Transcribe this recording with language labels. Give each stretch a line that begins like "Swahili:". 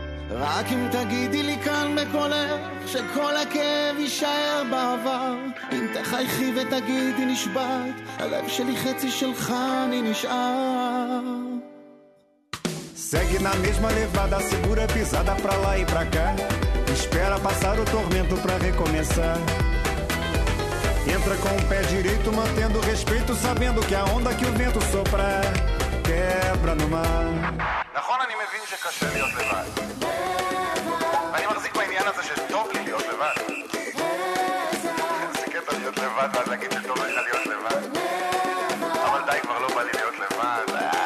Hebrew: רק אם תגידי לי כאן בקולך שכל הכאב יישאר בעבר, אם תחייכי ותגידי נשבעת הלב שלי חצי שלך אני נשאר.
Portuguese: Segue na mesma levada, segura pisada pra lá e pra cá, espera passar o tormento pra recomeçar. Entra com o pé direito mantendo o respeito, sabendo que a onda que o vento sopra quebra no mar.
Hebrew: נכון, אני מבין שקשה להיות לבד, ואני מחזיק בעניין הזה שטוב לי להיות לבד. זה קטע להיות לבד ואז להגיד שטוב לך להיות לבד, אבל די, כבר לא בא לי להיות לבד.